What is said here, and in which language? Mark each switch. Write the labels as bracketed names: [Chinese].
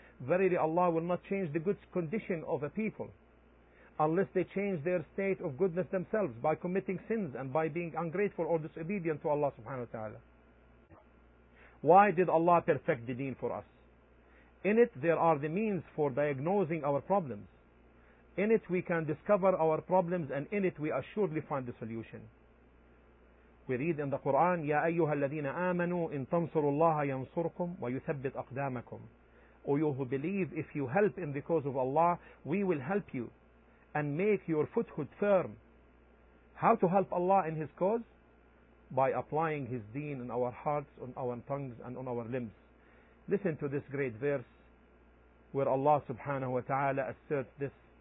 [English] Verily Allah will not change the good condition of a people unless they change their state of goodness themselves by committing sins and by being ungrateful or disobedient to Allah subhanahu wa ta'ala. Why did Allah perfect the deen for us? In it there are the means for diagnosing our problems. In it we can discover our problems and in it we assuredly find the solution. We read in the Quran, [Arabic] يَا أَيُّهَا الَّذِينَ آمَنُوا إِن تَنْصُرُوا اللَّهَ يَنْصُرْكُمْ وَيُثَبِّتْ أَقْدَامَكُمْ. [English] O you who believe, if you help in the cause of Allah, we will help you and make your foothold firm. How to help Allah in His cause? By applying His deen in our hearts, on our tongues and on our limbs. Listen to this great verse where Allah subhanahu wa ta'ala asserts this.